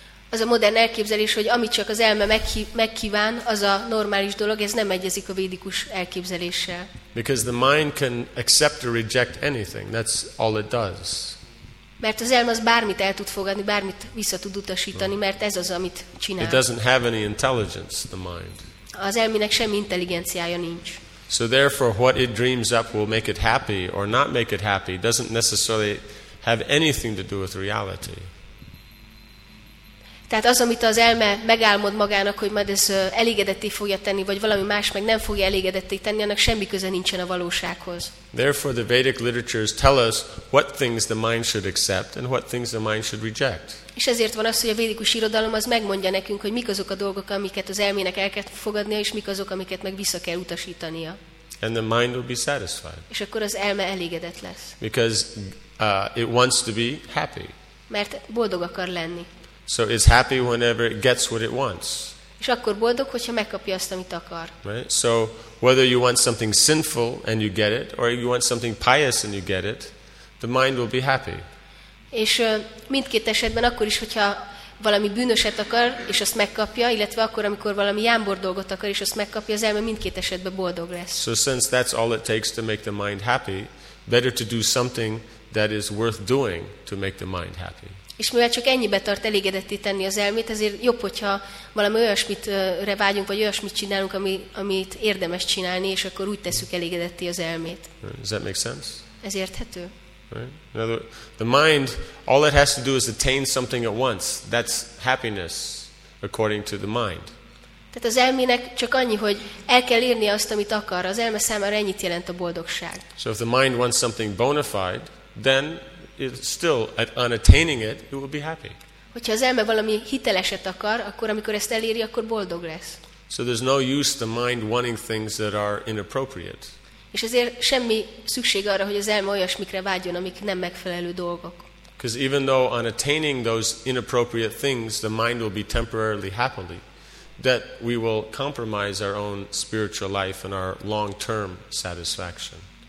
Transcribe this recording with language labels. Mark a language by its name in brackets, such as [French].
[Hungarian] Az a modern elképzelés, hogy amit csak az elme megkíván, az a normális dolog, ez nem egyezik a védikus elképzeléssel. [English] Because the mind can accept or reject anything, that's all it does. [Hungarian] Mert az elme az bármit el tud fogadni, bármit vissza tud utasítani, mert ez az, amit csinál. [English] It doesn't have any intelligence, the mind. [Hungarian] Az elmének semmi intelligenciája nincs. [English] So therefore, what it dreams up will make it happy or not make it happy doesn't necessarily have anything to do with reality. [Hungarian] Tehát az, amit az elme megálmod magának, hogy majd ez elégedetté fogja tenni, vagy valami más meg nem fogja elégedetté tenni, annak semmi köze nincsen a valósághoz. [English] Therefore the Vedic literatures tell us what things the mind should accept and what things the mind should reject. [Hungarian] És ezért van az, hogy a védikus irodalom az megmondja nekünk, hogy mik azok a dolgok, amiket az elmének el kell fogadnia, és mik azok, amiket meg vissza kell utasítania. [English] And the mind will be satisfied. [Hungarian] És akkor az elme elégedett lesz. [English] Because it wants to be happy. [Hungarian] Mert boldog akar lenni. [English] So it's happy whenever it gets what it wants. [Hungarian] És akkor boldog, hogyha megkapja azt, amit akar. [English] Right? So whether you want something sinful and you get it, or you want something pious and you get it, the mind will be happy. [Hungarian] És mindkét esetben akkor is, hogyha valami bűnöset akar, és azt megkapja, illetve akkor, amikor valami jámbor dolgot akar, és azt megkapja, az elme mindkét esetben boldog lesz. [English] So since that's all it takes to make the mind happy, better to do something that is worth doing to make the mind happy. [Hungarian] És mivel csak ennyibe tart elégedetté tenni az elmét, ezért jobb, hogyha valami olyasmit vágyunk, vagy olyasmit csinálunk, amit érdemes csinálni, és akkor úgy tesszük elégedetté az elmét. [English] Does that make sense? [Hungarian] Ez érthető. [English] Right. Now the mind, all it has to do is attain something at once. That's happiness, according to the mind. [Hungarian] Tehát az elmének csak annyi, hogy el kell írni azt, amit akar. Az elme számára ennyit jelent a boldogság. [English] So if the mind wants something bona fide, then it's still on attaining it, it will be happy. [Hungarian] Hogyha az elme valami hiteleset akar, akkor amikor ezt eléri, akkor boldog lesz. [English] So there's no use the mind wanting things that are inappropriate. [Hungarian] És ezért semmi szükség arra, hogy az elme olyasmikre vágyjon, amik nem megfelelő dolgok. [English] Because even though on attaining those inappropriate things, the mind will be temporarily happy, that we will compromise our own spiritual life and our long-term satisfaction.